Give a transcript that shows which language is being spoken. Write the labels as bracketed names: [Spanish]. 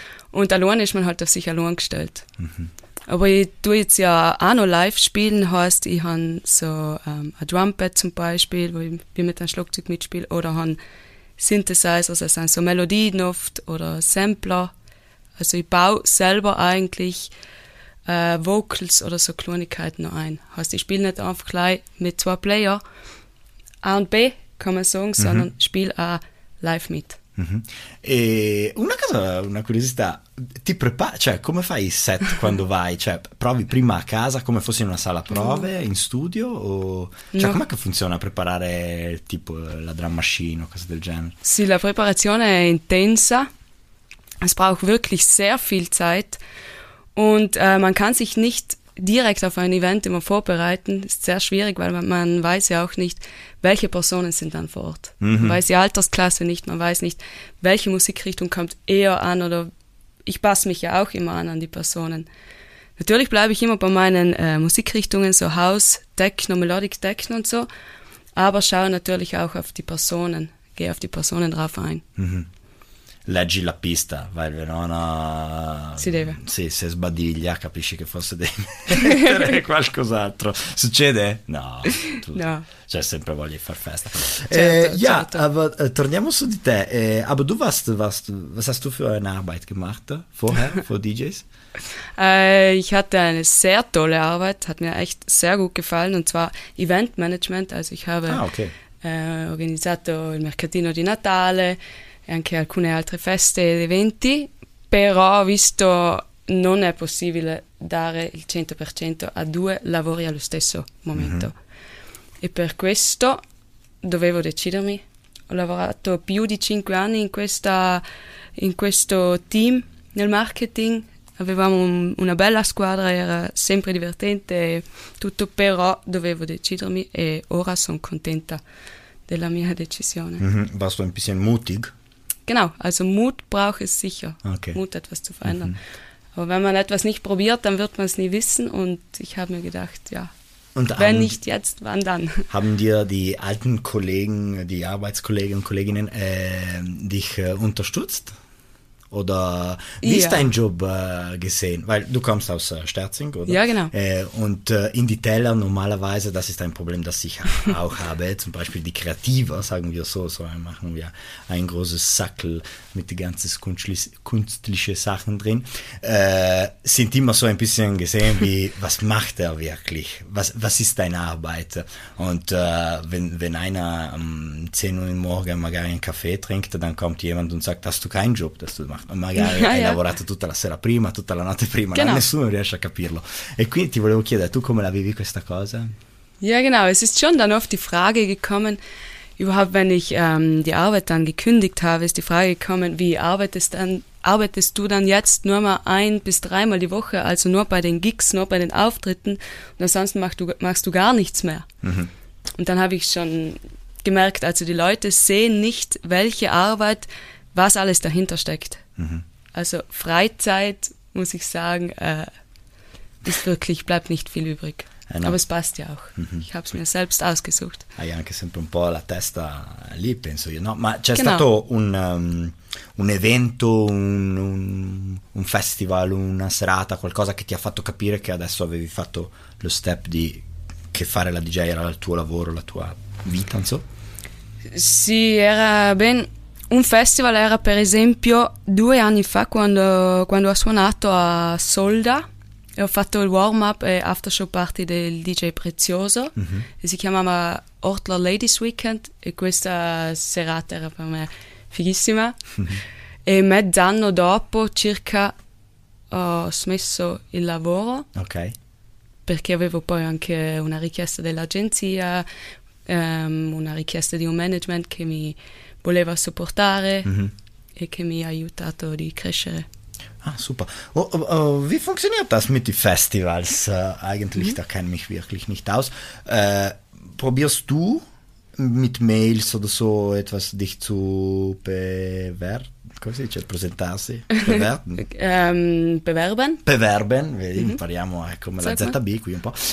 [German] Und allein ist man halt auf sich allein gestellt. Aber ich tue jetzt ja auch noch live spielen, heißt, ich habe so ein Drumpad zum Beispiel, wo ich mit einem Schlagzeug mitspiele, oder habe Synthesizers, das sind so Melodien oft, oder Sampler. Also ich baue selber eigentlich Vocals oder so Kleinigkeiten noch ein. Heißt, ich spiele nicht einfach gleich mit zwei Player A und B, kann man sagen, sondern spiele auch live mit. [Italian] E una curiosità, ti prepari, cioè come fai il set quando vai, cioè provi prima a casa come fossi in una sala prove in studio, o cioè, no, com'è che funziona preparare tipo la drum machine o cose del genere? Sì, la preparazione è intensa, [German] Es braucht wirklich sehr viel Zeit und man kann sich nicht direkt auf ein Event immer vorbereiten. Ist sehr schwierig, weil man weiß ja auch nicht, welche Personen sind dann vor Ort. Mhm. Man weiß die Altersklasse nicht, man weiß nicht, welche Musikrichtung kommt eher an, oder ich passe mich ja auch immer an die Personen. Natürlich bleibe ich immer bei meinen Musikrichtungen, so House, Techno, Melodic Techno und so, aber schaue natürlich auch auf die Personen, gehe auf die Personen drauf ein. [Italian] Mhm. Leggi la pista, vai, Verona. Si deve. Sì, se sbadiglia, capisci che forse devi mettere qualcos'altro. Succede? No. No. C'è sempre voglia di far festa. Certo, [German] ja, [Italian] certo. [German] Aber, [Italian] torniamo su di te. [German] Aber du warst, was hast du für eine Arbeit gemacht vorher, vor DJs? Ich hatte eine sehr tolle Arbeit, hat mir echt sehr gut gefallen, und zwar Eventmanagement. Also ich habe [Italian] organizzato il mercatino di Natale, anche alcune altre feste ed eventi, però visto non è possibile dare il 100% a due lavori allo stesso momento. Mm-hmm. E per questo dovevo decidermi. Ho lavorato più di 5 anni in questo team, nel marketing. Avevamo una bella squadra, era sempre divertente e tutto, però dovevo decidermi e ora sono contenta della mia decisione. Mm-hmm. [German] Warst du ein bisschen mutig? Genau, also Mut braucht es sicher, okay. Mut etwas zu verändern. Mhm. Aber wenn man etwas nicht probiert, dann wird man es nie wissen, und ich habe mir gedacht, ja, und wenn nicht jetzt, wann dann? Haben dir die alten Kollegen, die Arbeitskollegen und Kolleginnen dich unterstützt? Oder wie ist dein Job gesehen? Weil du kommst aus Sterzing, oder? Ja, genau. Und in die Teller normalerweise, das ist ein Problem, das ich auch habe. Zum Beispiel die Kreativer, sagen wir so machen wir ein großes Sackel mit den ganzen künstlichen Sachen drin, sind immer so ein bisschen gesehen wie, was macht er wirklich? Was ist deine Arbeit? Und wenn einer um 10 Uhr morgens mal gar einen Kaffee trinkt, dann kommt jemand und sagt, hast du keinen Job, dass du [Italian] magari hai lavorato tutta la sera prima, tutta la notte prima, [German] genau. [Italian] Nessuno riesce a capirlo. E quindi ti volevo chiedere, tu come la vivi questa cosa? [German] Ja, genau, es ist schon dann oft die Frage gekommen, überhaupt wenn ich die Arbeit dann gekündigt habe, ist die Frage gekommen, wie arbeitest du dann jetzt nur mal 1 bis 3 Mal die Woche, also nur bei den Gigs, nur bei den Auftritten, und ansonsten machst du gar nichts mehr. Mhm. Und dann habe ich schon gemerkt, also die Leute sehen nicht, welche Arbeit, was alles dahinter steckt. Mhm. Also Freizeit, muss ich sagen, ist wirklich, bleibt nicht viel übrig. Aber es passt ja auch. Mhm. Ich habe es mir selbst ausgesucht. [Italian] Hai anche sempre un po' la testa lì, penso io. No? Ma c'è [German] genau. [Italian] Stato un evento, un festival, una serata, qualcosa che ti ha fatto capire che adesso avevi fatto lo step di che fare la DJ era il tuo lavoro, la tua vita, non so? Sì, era ben... Un festival era, per esempio, 2 anni fa, quando ho suonato a Solda e ho fatto il warm-up e aftershow party del DJ Prezioso. Mm-hmm. E si chiamava Ortler Ladies Weekend, e questa serata era per me fighissima. Mm-hmm. E mezz'anno dopo circa ho smesso il lavoro, okay. Perché avevo poi anche una richiesta dell'agenzia, una richiesta di un management che mi... voleva supportare, mm-hmm. e che mi ha aiutato di crescere. Ah, super. [German] Wie funktioniert das mit den Festivals? Eigentlich, mm-hmm. da kenne ich mich wirklich nicht aus. Probierst du mit Mails oder so etwas dich zu bewerben? [Italian] Come si dice? Presentarsi? [German] Bewerben? bewerben. Bewerben. Mm-hmm. [Italian] Impariamo come la ZB qui un po'.